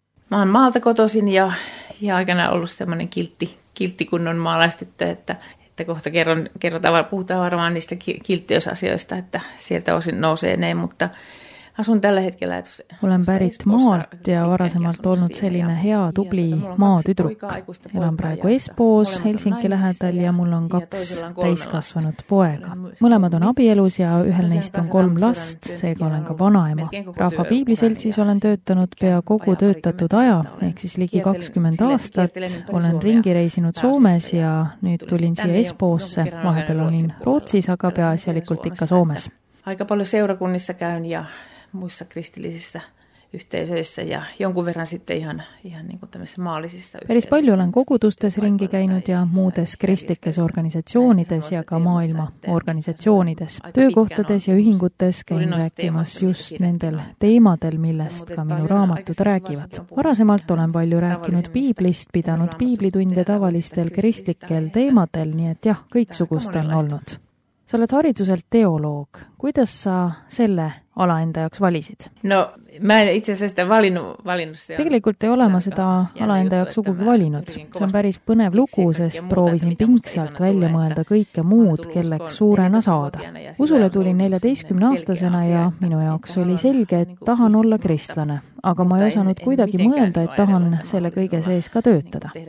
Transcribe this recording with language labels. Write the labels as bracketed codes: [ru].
[fi] Mä oon maalta kotoisin ja aikanaan ollut semmoinen kiltti kunnon maalaistyttö, että kohta puhutaan varmaan niistä kilttiösasioista, että sieltä osin nousee ne, mutta asun tällä hetkellä. [et] Olen pärit maalt ja varasemalt olnud selline hea tubli maatüdruk. Elan praegu Espoos, Helsinki lähedal ja mul on kaks täiskasvanud poega. Mõlemad on abielus ja ühel neist on kolm last, seega olen ka vanaema. Rahva piibliseltsis olen töötanud pea kogu töötatud aja, ehk siis ligi 20 aastat. Olen ringi reisinud Soomes ja nüüd tulin siia Espoosse. Vahepeal olin Rootsis, aga peaasjalikult ikka Soomes. [fi] Aika paljon seurakunnissa käyn ja muissa kristillisissä yhteisöissä ja jonkun verran sitten ihan niin kuin tämmöisissä maallisissa yhteisöissä. [et] Päris paljon olen kogudustes ringi käinud ja muudes kristikes organisatsioonides ja ka maailma organisatsioonides. Töökohtades ja ühingutes käin rääkimas just nendel teemadel, millest ka minu raamatud räägivad. Varasemalt olen palju rääkinud piiblist, pidanud piiblitunde tavalistel kristlikel teemadel, nii et jah, kõiksugust on olnud. Sa oled hariduselt teoloog. Kuidas sa selle ala enda jaoks valisid? [fi] No, mä en itse asiassa sitä valinnut. [et] Tegelikult ei ole ma seda ala enda jaoks sugugi valinud. See on päris põnev lugu, sest proovisin pingsalt välja mõelda kõike muud, kelleks suurena saada. Usule tulin 14 aastasena ja minu jaoks oli selge, et tahan olla kristlane. Aga ma ei osanud kuidagi mõelda, et tahan selle kõige sees ka töötada.